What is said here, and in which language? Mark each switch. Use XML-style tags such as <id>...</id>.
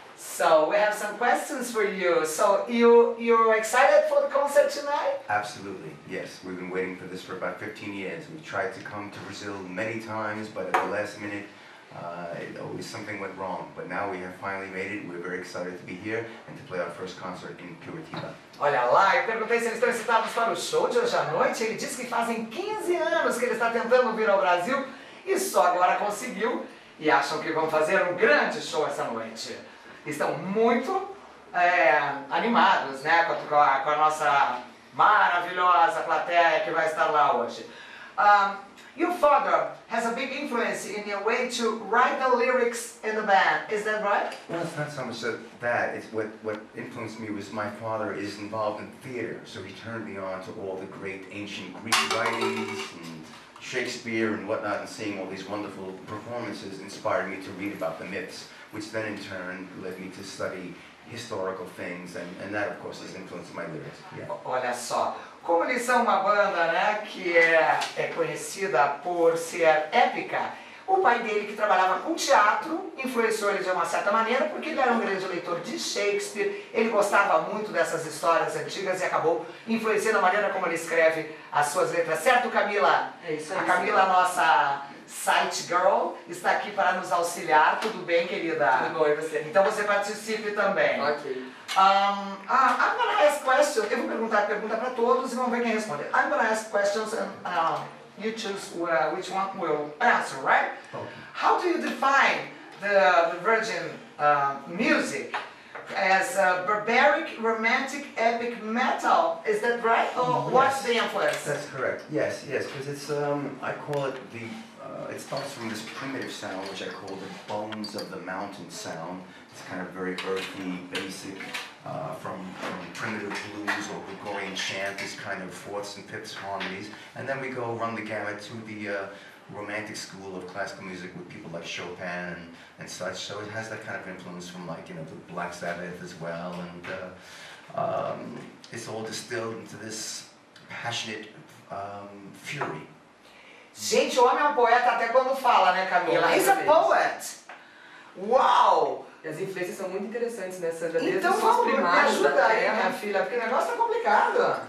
<en>So, we have some questions for you. So, you're excited for the concert tonight? Absolutely, yes. We've been waiting for this for about 15 years. We tried to come to Brazil many times, but at the last minute, always something went wrong. But now we have finally made it. We're very excited to be here and to play our first concert in Curitiba.</en> <pt>Olha lá, eu perguntei se eles estão excitados para o show de hoje à noite. Ele disse que fazem 15 anos que ele está tentando vir ao Brasil e só agora conseguiu. E acham que vão fazer um grande show essa noite. Estão muito animados, né, com a nossa maravilhosa plateia que vai estar lá hoje.</pt> <en>Your father has a big influence in your way to write the lyrics in the band, is that right? Well, it's not so much that. It's what influenced me was my father is involved in theater, so he turned me on to all the great ancient Greek writings and Shakespeare and whatnot, and seeing all these wonderful performances inspired me to read about the myths, which then in turn led me to study historical things, and that of course has influenced my lyrics. Yeah.</en> <pt>Olha só, como eles são uma banda, né, que é conhecida por ser épica, o pai dele, que trabalhava com teatro, influenciou ele de uma certa maneira, porque ele era um grande leitor de Shakespeare, ele gostava muito dessas histórias antigas e acabou influenciando a maneira como ele escreve as suas letras. Certo, Camila? É isso aí. A Camila, nossa site girl, está aqui para nos auxiliar. Tudo bem, querida? Tudo bom, e você? Então você participe também. Ok.</pt> <en>I'm going to ask questions.</en> <pt>Eu vou perguntar a pergunta para todos e vamos ver quem responde.</pt> <en>I'm going to ask questions and you choose which one will answer, right? Okay. How do you define the Virgin music as barbaric, romantic, epic metal? Is that right? Or yes. What's the influence? That's correct. Yes, yes. Because it's, I call it the... it starts from this primitive sound, which I call the bones of the mountain sound. It's kind of very earthy, basic, from primitive blues or Gregorian chant, this kind of fourths and fifths harmonies. And then we go run the gamut to the romantic school of classical music with people like Chopin and such. So it has that kind of influence from, like, you know, the Black Sabbath as well. And it's all distilled into this passionate fury.</en> <pt>Gente, o homem é um poeta até quando fala, né, Camila?</pt> <en>He's a poet!</en> <pt>Uau! E as influências são muito interessantes nessa janela. Então vamos, me ajuda aí, minha filha, porque o negócio tá complicado.</pt>